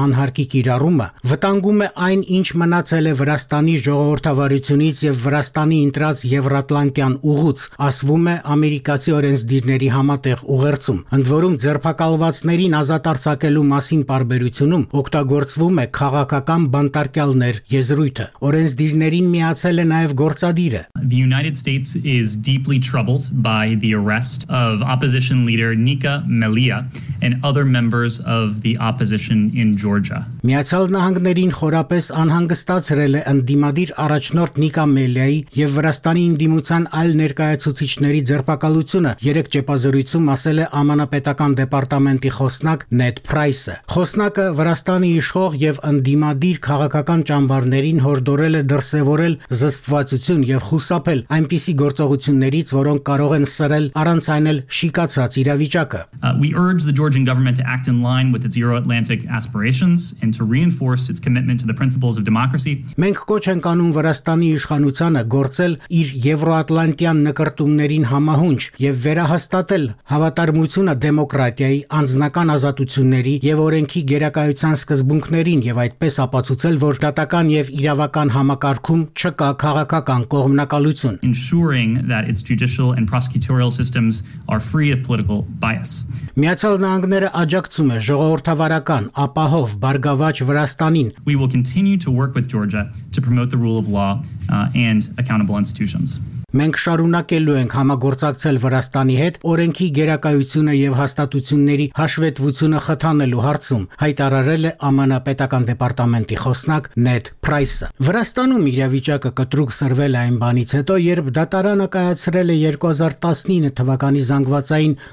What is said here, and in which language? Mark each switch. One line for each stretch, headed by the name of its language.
Armenian: անհարկի կիրառումը վտանգում է այն, ինչ մնացել է Վրաստանի ժողովրդավարությունից եւ Վրաստանի ընտրած Եվրատլանտյան ուղուց, ասվում է ամերիկացի օրենսդիրների համատեղ ուղերձում։ Ընդ որում ձերբակալվածներին ազատ արձակելու մասին պարբերությունում օգտագործվում է քաղաքական բանտարկյալներ եզրույթը։ Օրենսդիրներին միացել է նաեւ գործադիրը։
English: The United States is deeply troubled by the arrest of opposition leader Nika Melia and other members of the opposition in Georgia.
Armenian: Միացյալ Նահանգներին խորապես անհանգստացրել է ընդդիմադիր առաջնորդ Նիկա Մելիայի եւ Վրաստանի ինդիմության այլ ներկայացուցիչների ձերբակալությունը, երեք ճեպազրույցում ասել է ԱՄՆ-ական դեպարտամենտի խոսնակ Նետ Փրայսը։ Խոսնակը Վրաստանի իշխող եւ ընդդիմադիր քաղաքական ճամբարներին հորդորել է դրսեւորել զսպվածություն եւ խուսափել այնպիսի գործողություններից, որոնք կարող են սրել առանց այնել շիկացած իրավիճակը։
English: We urge the Georgian government to act in line with its Euro-Atlantic aspirations and to reinforce its commitment to the principles of democracy.
Armenian: Մենք կոչ ենք անում Վրաստանի իշխանությանը գործել իր Եվրոատլանտյան նկարտումներին համահունչ եւ վերահաստատել հավատարմությունը դեմոկրատիայի, անձնական ազատությունների եւ օրենքի գերակայության սկզբունքներին եւ այդպես ապացուցել, որ դատական եւ իրավական համակարգում չկա քաղաքական կողմնակալություն։
English: Ensuring that its judicial and prosecutorial systems are free of political bias.
Armenian: Միացյալ Նահանգները աջակցում է ժողովրդավարական, ապահով, բարգավաճ Վրաստանին։
English: We will continue to work with Georgia to promote the rule of law and accountable institutions.
Armenian: Մենք շարունակելու ենք համագործակցել Վրաստանի հետ օրենքի գերակայությունը եւ հաստատությունների հաշվետվությունը խթանելու հարցում, հայտարարել է ԱՄՆ-ական դեպարտամենտի խոսնակ Նետ Փրայսը։ Վրաստանում իրավիճակը կտրուկ սրվել այն բանից հետո, երբ դատարանը կայացրել է 2019 թվականի զանգվածային